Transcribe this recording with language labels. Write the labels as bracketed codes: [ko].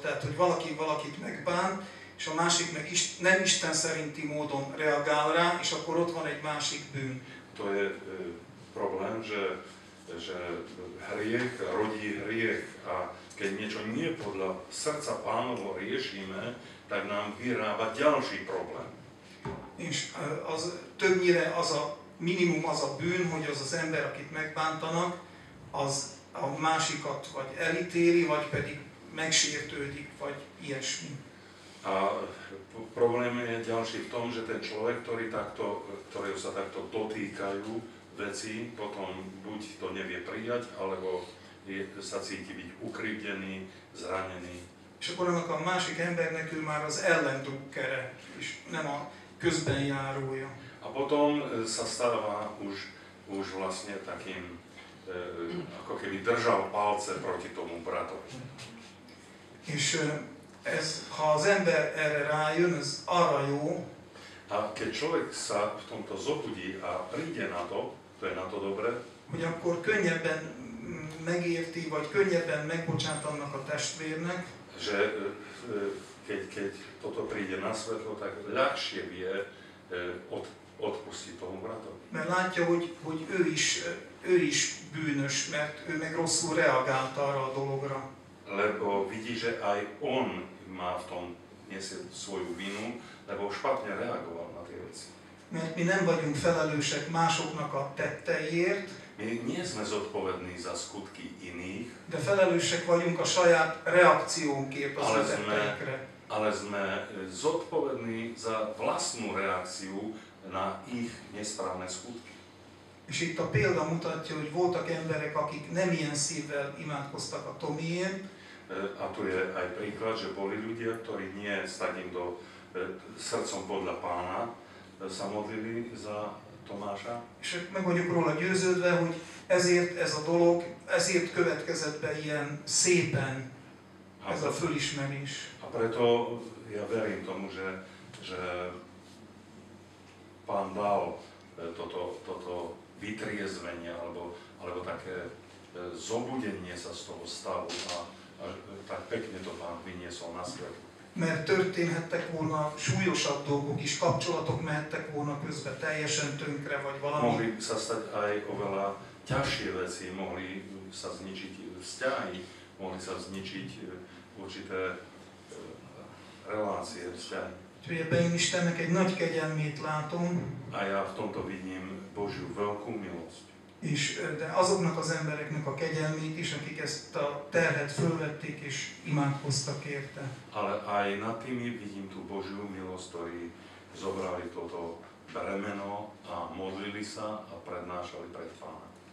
[hu] Tehát, hogy valaki valakit megbán, és a másik meg is, nem Isten szerinti módon reagál rá, és akkor ott van egy másik bűn. [sk] To je problém, že hriech rodí hriech. A keď niečo nie podľa srdca Pánovo riešime, tak nám vyrába ďalší problém. [hu] És az többnyire az a minimum az a bűn, hogy az az ember, akit megbántanak, az a másikat vagy elítéli, vagy pedig megsértődik, vagy ilyesmi. [sk] A problém je ďalší v tom, že ten človek, ktorého sa takto dotýkajú veci, potom buď to nevie prijať, alebo sa cíti byť ukrivdený, zranený. [hu] És akkor annak a másik embernek ő már az ellendrukkere, és nem a közbenjárója. [sk] A potom sa stáva už vlastne takým, ako keby držal palce proti tomu bratovi. [hu] És ez, ha az ember erre rájön, ez arra jó. [sk] A keď človek sa v tomto zobudí a príde na to, to je na to dobré. [hu] Hogy akkor könnyebben megérti, vagy könnyebben megbocsát annak a testvérnek. [sk] Že keď toto príde na svetlo, tak ľahšie vie odpustiť tomu bratovi. [hu] Mert látja, hogy ő is bűnös, mert ő meg rosszul reagált arra a dologra. [sk] Lebo vidí, že aj on má v tom nesie svoju vinu, lebo špatne reagoval na tie veci. [hu] Mert mi nem vagyunk felelősek másoknak a tetteiért. [sk] My nie sme zodpovední za skutky iných. [hu] De felelősek vagyunk a saját reakciónkért az tetteikre. [sk] Ale sme zodpovední za vlastnú reakciu na ich nesprávne skutky. [hu] És itt a példa mutatja, hogy voltak emberek, akik nem ilyen szívvel imádkoztak a Tomiért. [sk] A tu je aj príklad, že boli ľudia, ktorí nie s takým srdcom podľa Pána sa modlili za Tomáša. [hu] És meg vagyok róla győződve, hogy ezért ez a dolog, ezért következett be ilyen szépen ez a fölismerés. [sk] A preto ja verím tomu, že Pán dal toto vytriezvenie alebo také zobudenie sa z toho stavu a tak pekne to Pán vyniesol na svet. [hu] Mert történhettek volna súlyosabb dolgok is, kapcsolatok mehettek volna közbe teljesen tönkre, vagy valami. [sk] Mohli sa stať aj oveľa ťažšie veci, mohli sa zničiť vzťahy, mohli sa zničiť určité relácie, vzťahy. [hu] Čiže Ben Istennek egy nagy kegyelmét látom. [sk] A ja v tomto vidím Božiu veľkú milosť. [hu] És, de azoknak az embereknek a kegyelmét is, akik ezt a terhet fölvették és imádkoztak érte. [sk] Ale aj na tými vidím tú Božiu milosť, ktorí zobrali toto bremeno a modlili sa a prednášali pred Pána.